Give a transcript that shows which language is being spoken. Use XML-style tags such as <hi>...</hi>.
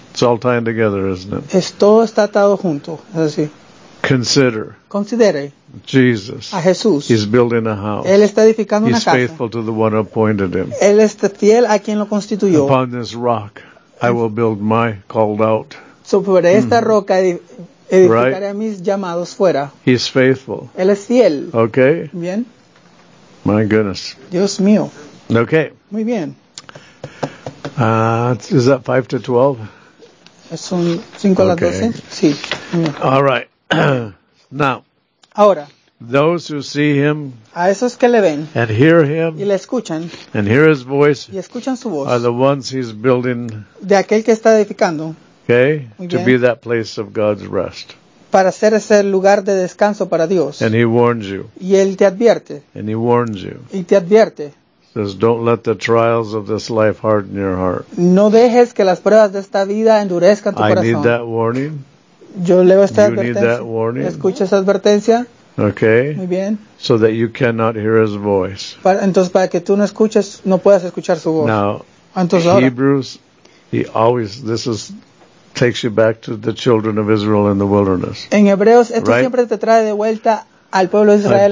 <en>It's all tied together, isn't it?</en> <es>Es todo está atado junto. Es así.</es> <en>Consider.</en> <es>Considere.</es> <en>Jesus.</en> <es>A Jesús.</es> <en>He's building a house.</en> <es>Él está edificando</es> <en>he's</en> <es>una casa.</es> <en>He's faithful to the one who appointed him.</en> <es>Él es fiel a quien lo constituyó.</es> <en>Upon this rock, I will build my called out.</en> <es>Sobre esta roca edificaré a mis llamados fuera.</es> <en>He's faithful.</en> <es>Él es fiel.</es> <en>Okay.</en> <es>Bien.</es> <en>My goodness.</en> <es>Dios mío.</es> <en>Okay.</en> <es>Muy bien.</es> <en>Is that 5 to 12?</en> <es>Es un 5 a las 12? Sí.</es> <en>All right. Now,</en> <es>ahora,</es> <en>those who see him</en> <es>a esos que le ven,</es> <en>and hear him</en> <es>y le escuchan,</es> <en>and hear his voice</en> <es>y escuchan su voz,</es> <en>are the ones he's building</en> <es>de aquel que está edificando,</es> <en>okay,</en> <es>bien,</es> <en>to be that place of God's rest.</en> <es>Para ser ese lugar de descanso para Dios.</es> <en>And he warns you.</en> <es>Y él te advierte.</es> <en>And he warns you.</en> <es>Y te advierte.</es> <en>Says, don't let the trials of this life harden your heart.</en> <es>No dejes que las pruebas de esta vida endurezcan tu corazón.</es> <en>I need that warning.</en> <es>Yo leo esta</es> <en>you</en> <es>advertencia.</es> <en>Need that warning.</en> <es>Escucha esa advertencia.</es> <en>Okay.</en> <es>Muy bien.</es> <en>So that you cannot hear his voice.</en> <es>Para, entonces para que tú no escuches, no puedas escuchar su voz.</es> <en>Now,</en> <es>entonces,</es> <en>Hebrews, he always, this is, takes you back to the children of Israel in the wilderness.</en> <es>En Hebreos, esto</es> <en>right?</en> <es>Siempre te trae de vuelta al pueblo de Israel</es>